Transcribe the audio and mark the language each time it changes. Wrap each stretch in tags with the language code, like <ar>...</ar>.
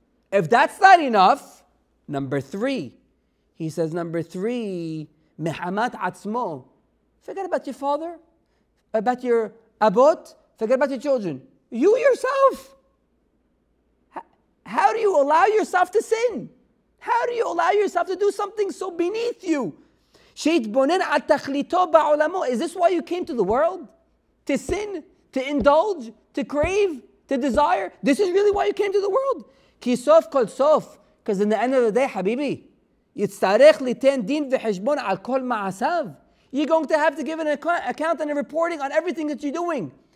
<en>If that's not enough, number three. He says number three,</en> <he>Mehamat Atzmo.</he> <en>Forget about your father, about your abot, forget about your children. You yourself. How do you allow yourself to sin? How do you allow yourself to do something so beneath you?</en> <he>שיתבונן על תכליתו בעולמו.</he> <en>Is this why you came to the world? To sin? To indulge? To crave? To desire? This is really why you came to the world?</en> <he>כי סוף כל סוף.</he> <en>Because in the end of the day, Habibi,</en> <he>יצטרך ליתן דין וחשבון על כל מעשיו.</he> <en>You're going to have to give an account and a reporting on everything that you're doing.</en>